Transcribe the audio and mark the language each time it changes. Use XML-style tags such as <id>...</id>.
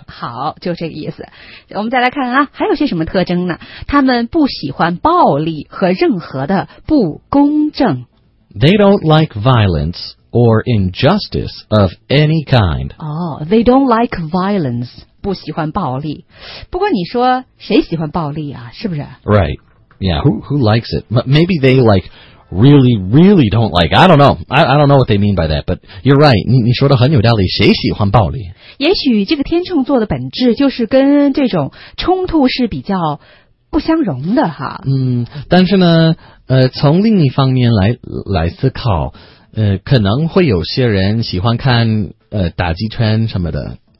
<zh>好就这个意思我们再来看啊还有些什么特征呢他们不喜欢暴力和任何的不公正</zh> <en>They don't like violence or injustice of any kind Oh, they don't like violence</en> <zh>不喜欢暴力，不过你说谁喜欢暴力啊？是不是</zh> <en>？Right, yeah. Who likes it? Maybe they like really, really don't like. I don't know. I don't know what they mean by that. But you're right.</en> <zh>你说的很有道理。谁喜欢暴力？也许这个天秤座的本质就是跟这种冲突是比较不相容的哈。嗯，但是呢，从另一方面来思考，可能会有些人喜欢看打击圈什么的。</zh>